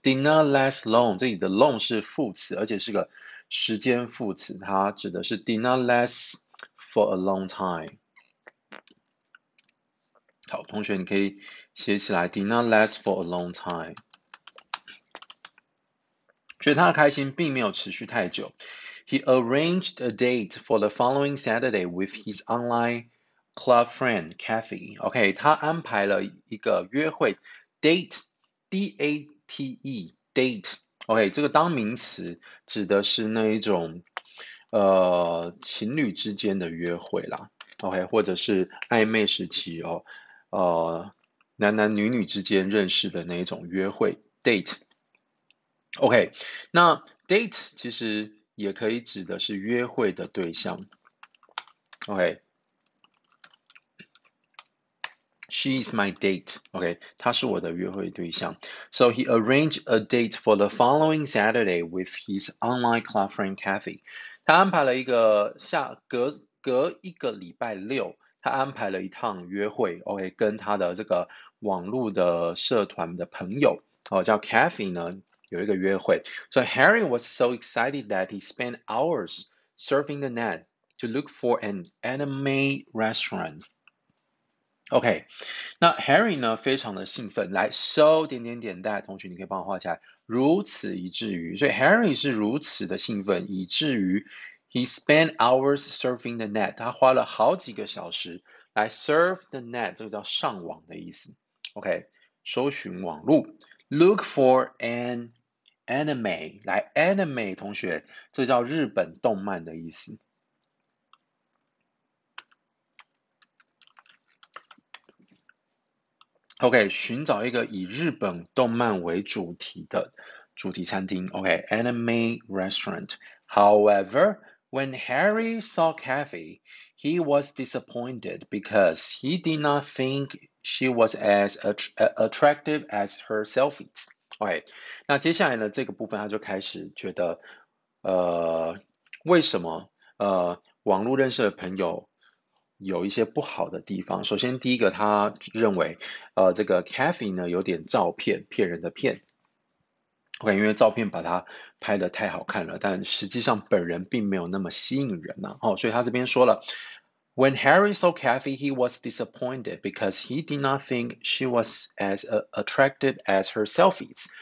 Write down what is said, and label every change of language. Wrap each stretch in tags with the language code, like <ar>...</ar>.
<en>Did not last long，</en> <zh>这里的 long 是副词，而且是个时间副词，它指的是</zh> <en>did not last for a long time。</en> <zh>好，同学，你可以写起来，</zh> <en>did not last for a long time。</en> <zh>觉得他的开心并没有持续太久。</zh> <en>He arranged a date for the following Saturday with his online club friend Kathy.</en> <zh>OK，他安排了一个约会，date，date，date。 OK，这个当名词指的是那一种情侣之间的约会啦。 OK，或者是暧昧时期哦，男男女女之间认识的那一种约会，date。 OK，那 date 其实也可以指的是约会的对象。</zh> <en>OK，she is my date。</en> <zh>OK，她是我的约会对象。</zh> <en>So he arranged a date for the following Saturday with his online club friend Kathy。</en> <zh>他安排了一个隔一个礼拜六，他安排了一趟约会。 OK，跟他的这个网络的社团的朋友，哦，叫 Kathy 呢。有一个约会，</zh> <en>So Harry was so excited that he spent hours surfing the net to look for an anime restaurant.</en> <zh>OK，那 Harry 呢，非常的兴奋，来 so 点点点，大家同学你可以帮我画起来，如此以至于，所以 Harry 是如此的兴奋，以至于</zh> <en>he spent hours surfing the net，</en> <zh>他花了好几个小时来</zh> <en>surf the net，</en> <zh>这个叫上网的意思。 OK，搜寻网络，</zh> <en>look for an anime</en> <zh>来，anime 同学，这叫日本动漫的意思。 OK，寻找一个以日本动漫为主题的主题餐厅。</zh> <en>OK，anime restaurant。 However, when Harry saw Kathy, he was disappointed because he did not think she was as attractive as her selfies.</en> <zh>OK，那接下来呢？这个部分他就开始觉得，为什么网络认识的朋友有一些不好的地方？首先，第一个他认为，这个 Kathy 呢有点照片骗人的骗，OK，因为照片把他拍得太好看了，但实际上本人并没有那么吸引人呐、啊。哦，所以他这边说了，</zh> <en>When Harry saw Kathy, he was disappointed because he did not think she was as attractive as her selfies.</en>